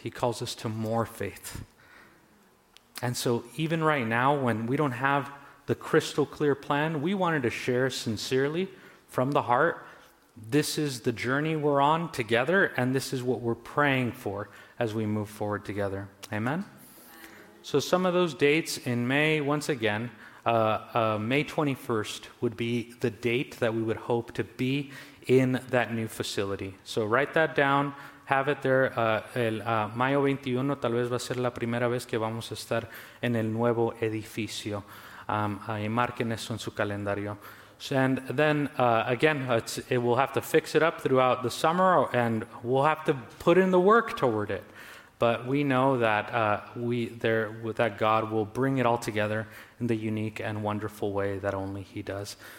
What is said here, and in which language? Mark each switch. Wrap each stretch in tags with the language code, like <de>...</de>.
<en>He calls us to more faith. And so even right now, when we don't have the crystal clear plan, we wanted to share sincerely from the heart, this is the journey we're on together, and this is what we're praying for as we move forward together. Amen? So some of those dates in May, once again, May 21st would be the date that we would hope to be in that new facility. So write that down, have it there.</en> <es>Mayo 21 tal vez va a ser la primera vez que vamos a estar en el nuevo edificio. Marquen eso en su calendario.</es> <en>And then again, we'll have to fix it up throughout the summer, and we'll have to put in the work toward it. But we know that that God will bring it all together in the unique and wonderful way that only He does.</en>